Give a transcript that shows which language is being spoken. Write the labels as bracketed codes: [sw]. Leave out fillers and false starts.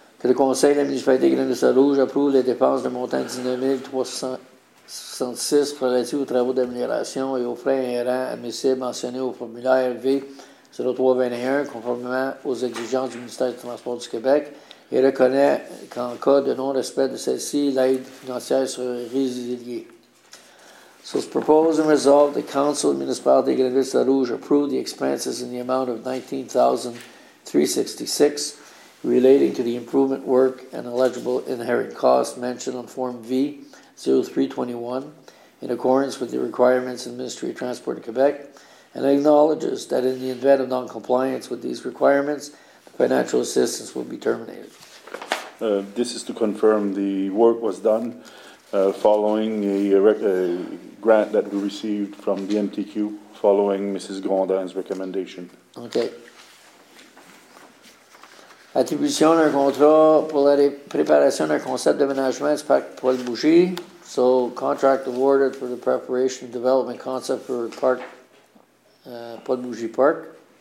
[fr] Que le conseil de la municipalité de Grenoble-Rouge approuve les dépenses de montant de 19 366 relatifs aux travaux d'amélioration et aux frais inhérents admissibles mentionnés au formulaire V0321 conformément aux exigences du ministère des Transports du Québec et reconnaît qu'en cas de non-respect de celle-ci, l'aide financière sera résiliée. [en] So it's proposed and resolved the Council of Municipalité de Grenoble-Rouge approve the expenses in the amount of $19,366 relating to the improvement work and eligible inherent costs mentioned on Form V 0321, in accordance with the requirements of the Ministry of Transport of Quebec, and acknowledges that in the event of non-compliance with these requirements, the financial assistance will be terminated. This is to confirm the work was done following a grant that we received from the MTQ following Mrs. Grandin's recommendation. Okay. [fr] Attribution d'un contrat pour la préparation d'un concept d'aménagement du parc Paul Bouchier. [en] So, contract awarded for the preparation and development concept for Park Paul Bouchier Park.